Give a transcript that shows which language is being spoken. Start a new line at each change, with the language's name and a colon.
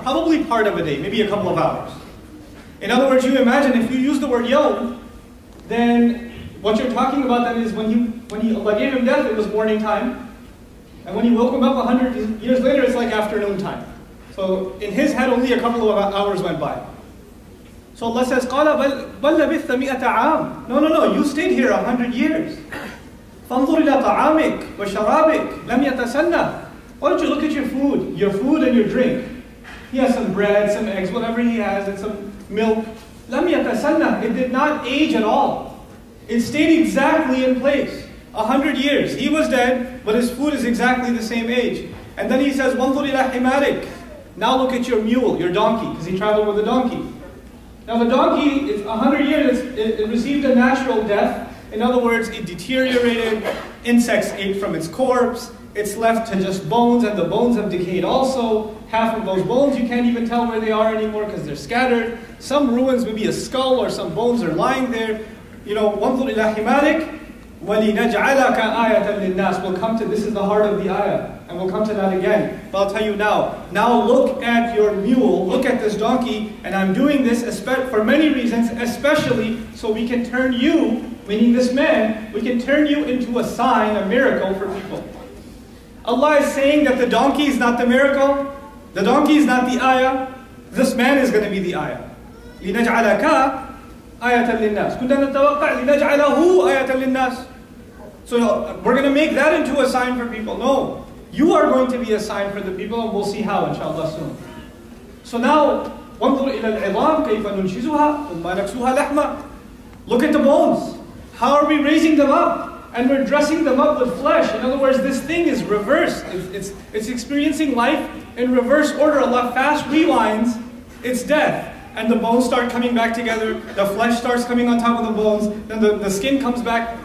English: Probably part of a day, maybe a couple of hours. In other words, you imagine if you use the word yawm, then what you're talking about then is when he Allah gave him death, it was morning time. And when he woke him up 100 years later, it's like afternoon time. So in his head, only a couple of hours went by. So Allah says,
Arabic: قَالَ بَلْ لَبِثْتَ مِئَةَ عَامٍ.
English: No, you stayed here 100 years.
Arabic: فَانْظُرْ إِلَىٰ طَعَامِكَ وَشَرَابِكَ لَمْ يَتَسَنَّهُ.
English: Why don't you look at your food and your drink. He has some bread, some eggs, whatever he has, and some milk.
Arabic: لَمْ يَتَسَنَّهُ.
English: It did not age at all. It stayed exactly in place. 100 years. He was dead, but his food is exactly the same age. And then he says,
Arabic: وَانْظُرْ إِلَىٰ حِمَارِكَ.
English: Now look at your mule, your donkey, because he traveled with a donkey. Now the donkey, it's 100 years, it received a natural death. In other words, it deteriorated, insects ate from its corpse, it's left to just bones, and the bones have decayed also. Half of those bones, you can't even tell where they are anymore because they're scattered. Some ruins, maybe a skull or some bones are lying there. You know,
Arabic: وَانْظُرْ إِلَىٰ حِمَارِكَ وَلِنَجْعَلَكَ آيَةً لِلنَّاسِ.
English: We'll come to, this is the heart of the ayah, and we'll come to that again. But I'll tell you now. Now look at your mule, look at this donkey, and I'm doing this for many reasons, especially so we can turn you, meaning this man, we can turn you into a sign, a miracle for people. Allah is saying that the donkey is not the miracle, the donkey is not the ayah, this man is going to be the ayah.
Arabic: لنجعلك آية للناس. كنا نتوقع لنجعله آية للناس.
English: So we're going to make that into a sign for people. No, you are going to be a sign for the people, and we'll see how, inshallah, soon. So now,
Arabic: وانظر إلى العظام كيف ننشزها ثم نكسوها لحمة.
English: Look at the bones. How are we raising them up? And we're dressing them up with flesh. In other words, this thing is reversed. It's experiencing life in reverse order. Allah fast rewinds its death. And the bones start coming back together. The flesh starts coming on top of the bones. Then the skin comes back.